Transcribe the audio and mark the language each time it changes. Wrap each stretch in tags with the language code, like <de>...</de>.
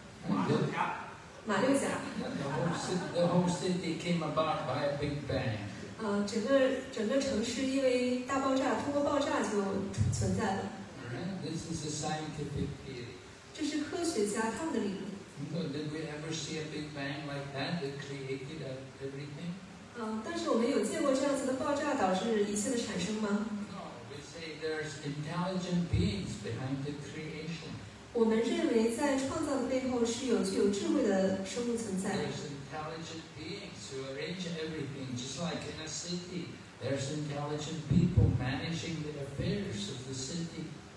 <zh>我们可能会说，在晚上有这样一个大爆炸，早上起来的时候，我们看到了马六甲。</zh> <en>The whole city came about by a big bang.</en> <zh>整个城市因为大爆炸，通过爆炸就存在了。</zh> <en>Right, this is a scientific theory.</en> <zh>这是科学家他们的理论。</zh> <en>No, did we ever see a big bang like that that created everything?</en> <zh>但是我们有见过这样子的爆炸导致一切的产生吗？</zh> <en>There's intelligent beings behind the creation.</en> <zh>我们认为在创造的背后是有具有智慧的生物存在。</zh> <en>There's intelligent beings who arrange everything, just like in a city. There's intelligent people managing the affairs of the city.</en>